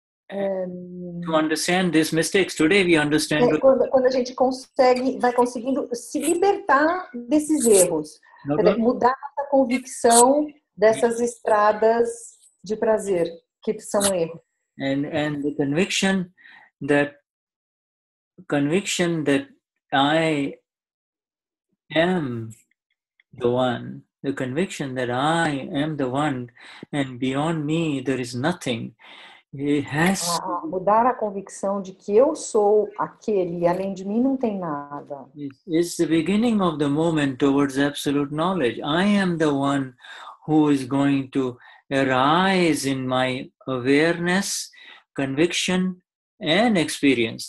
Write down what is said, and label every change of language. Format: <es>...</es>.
<en>to understand these mistakes. Today we understand</en> <pt>quando a gente vai conseguindo se libertar desses erros, mudar a convicção dessas estradas de prazer que são erros.</pt> <en>And the conviction that I am the one, the conviction that I am the one and beyond me there is nothing.</en> <pt>Mudar a convicção de que eu sou aquele e além de mim não tem nada.</pt> <en>It's the beginning of the movement towards absolute knowledge. I am the one who is going to arise in my awareness, conviction and experience.</en>